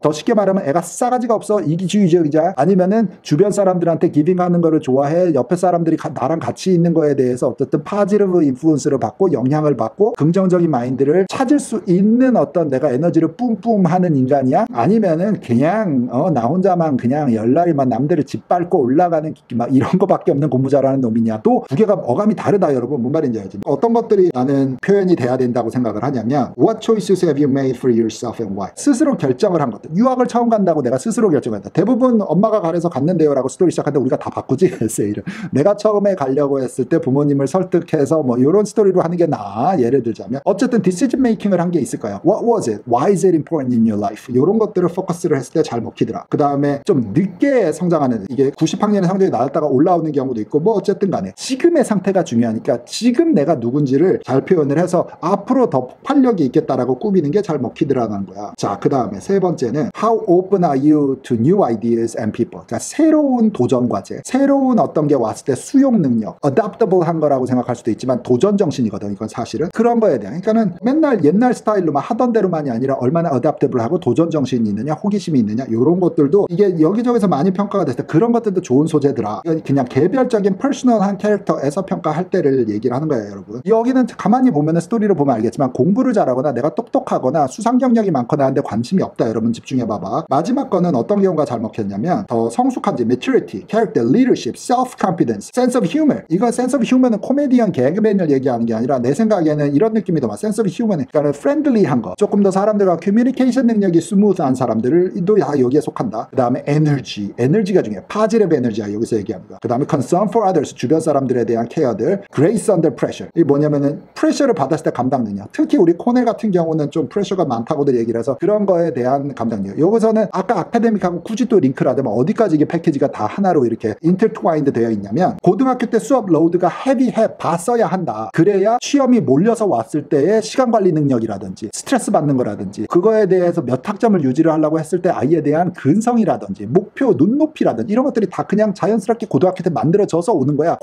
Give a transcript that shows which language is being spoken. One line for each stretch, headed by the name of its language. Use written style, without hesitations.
Korean: 더 쉽게 말하면 애가 싸가지가 없어, 이기주의적이자, 아니면은 주변 사람들한테 기빙하는 거를 좋아해, 옆에 사람들이 나랑 같이 있는 거에 대해서 어쨌든 파지티브 인플루언스를 받고 영향을 받고 긍정적인 마인드를 찾을 수 있는 어떤 내가 에너지를 뿜뿜 하는 인간이야, 아니면은 그냥 나 혼자만 그냥 열날이만 남들을 짓밟고 올라가는 막 이런 거밖에 없는 공부자라는 놈이냐, 또 두 개가 어감이 다르다. 여러분 뭔 말인지 알지? 어떤 것들이 나는 표현이 돼야 된다고 생각을 하냐면,
English: What choices have you made for yourself and why?
Korean: 스스로 결정을 한 것들. 유학을 처음 간다고 내가 스스로 결정했다. 대부분 엄마가 가려서 갔는데요 라고 스토리 시작하는데 우리가 다 바꾸지 에세이를. 내가 처음에 가려고 했을 때 부모님을 설득해서 뭐 이런 스토리로 하는 게 나아. 예를 들자면 어쨌든 decision making을 한 게 있을 거야.
English: What was it? Why is it important in your life?
Korean: 이런 것들을 포커스를 했을 때 잘 먹히더라. 그 다음에 좀 늦게 성장하는 이게 90학년의 성적이 나왔다가 올라오는 경우도 있고 뭐 어쨌든 간에 지금의 상태가 중요하니까 지금 내가 누군지를 잘 표현을 해서 앞으로 더 폭발력이 있겠다라고 꾸미는 게 잘 먹히더라는 거야. 자, 그 다음에 세 번째는
English: How open are you to new ideas and people?
Korean: 자, 새로운 도전 과제, 새로운 어떤 게 왔을 때 수용 능력, adaptable 한 거라고 생각할 수도 있지만 도전 정신이거든, 이건 사실은. 그런 거에 대한, 그러니까는 맨날 옛날 스타일로만 하던 대로만이 아니라 얼마나 adaptable 하고 도전 정신이 있느냐, 호기심이 있느냐, 이런 것들도 이게 여기저기서 많이 평가가 됐을 때 그런 것들도 좋은 소재더라. 이건 그냥 개별적인 퍼스널한 캐릭터에서 평가할 때를 얘기를 하는 거예요, 여러분. 여기는 가만히 보면 스토리를 보면 알겠지만 공부를 잘하거나 내가 똑똑하거나 수상 경력이 많거나 한데 관심이 없다, 여러분 집중해봐봐. 마지막 거는 어떤 경우가 잘 먹혔냐면 더 성숙한지, maturity, character, leadership, self-confidence, sense of humor. 이건 sense of humor은 코미디언, 개그맨을 얘기하는 게 아니라 내 생각에는 이런 느낌이 더 많아. sense of humor은 그러니까 friendly한 거, 조금 더 사람들과 communication 능력이 smooth한 사람들도 다 여기에 속한다. 그 다음에 energy, energy가 중요해. positive energy가 여기서 얘기합니다. 그 다음에
English: concern for others,
Korean: 주변 사람들에 대한
English: care들, grace under pressure.
Korean: 이게 뭐냐면은 pressure를 받았을 때 감당 능력. 특히 우리 코넬 같은 경우는 좀 pressure가 많다고들 얘기를 해서 그런 거에 대한 감당력. 여기서는 아까 아카데믹하고 굳이 또 링크를 하자면 어디까지 이게 패키지가 다 하나로 이렇게 인터트와인드 되어 있냐면 고등학교 때 수업 로드가 헤비해 봤어야 한다. 그래야 시험이 몰려서 왔을 때의 시간 관리 능력이라든지 스트레스 받는 거라든지 그거에 대해서 몇 학점을 유지를 하려고 했을 때 아이에 대한 근성이라든지 목표 눈높이라든지 이런 것들이 다 그냥 자연스럽게 고등학교 때 만들어져서 오는 거야.